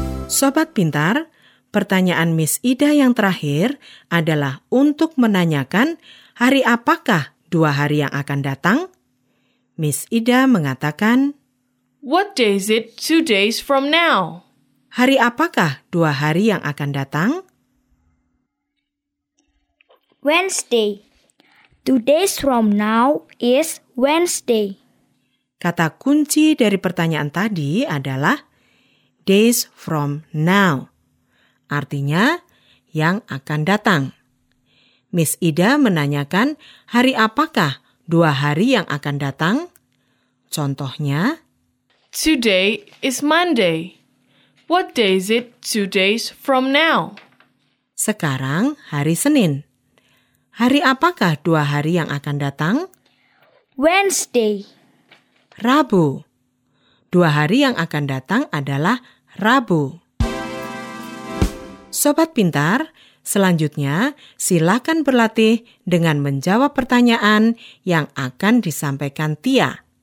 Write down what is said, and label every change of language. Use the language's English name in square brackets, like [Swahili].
[Indonesian] Sobat pintar, pertanyaan Miss Ida yang terakhir adalah untuk menanyakan hari apakah dua hari yang akan datang? Miss Ida mengatakan, [English] What day is it 2 days from now? [Indonesian] Hari apakah dua hari yang akan datang? [English] Wednesday. 2 days from now is Wednesday. [Indonesian] Kata kunci dari pertanyaan tadi adalah, [English] Days from now, [Indonesian] artinya yang akan datang. Miss Ida menanyakan hari apakah dua hari yang akan datang? Contohnya, [English] Today is Monday. What day is it 2 days from now? [Indonesian] Sekarang hari Senin. Hari apakah dua hari yang akan datang? [English] Wednesday. [Indonesian] Rabu. Dua hari yang akan datang adalah Rabu. Sobat pintar, selanjutnya silakan berlatih dengan menjawab pertanyaan yang akan disampaikan Tia.